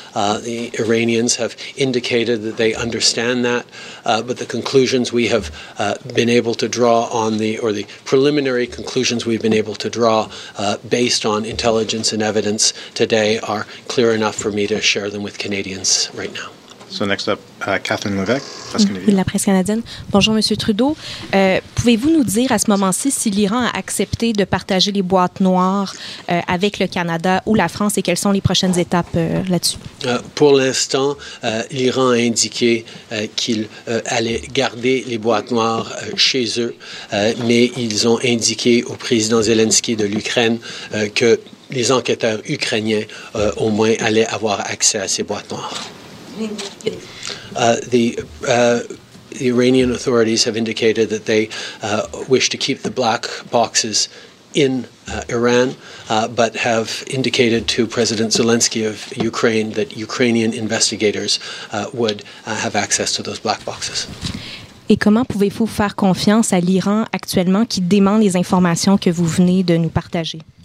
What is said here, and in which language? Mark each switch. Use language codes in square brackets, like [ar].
[en] The Iranians have indicated that they understand that, but the conclusions we have been able to draw on the preliminary conclusions we've been able to draw based on intelligence and evidence today are clear enough for me to share them with Canadians right now. So next up, Catherine Levesque, [fr] La Presse canadienne. Bonjour, M. Trudeau. Pouvez-vous nous dire à ce moment-ci si l'Iran a accepté de partager les boîtes noires avec le Canada ou la France et quelles sont les prochaines étapes là-dessus? Pour l'instant, l'Iran a indiqué qu'il allait garder les boîtes noires chez eux, mais ils ont indiqué au président Zelensky de l'Ukraine que les enquêteurs ukrainiens au moins allaient avoir accès à ces boîtes noires. [en] The Iranian authorities have indicated that they wish to keep the black boxes in Iran, but have indicated to President Zelensky of Ukraine that Ukrainian investigators would have access to those black boxes. [fr] Et comment pouvez-vous faire confiance à l'Iran actuellement qui demande les informations que vous venez de nous partager?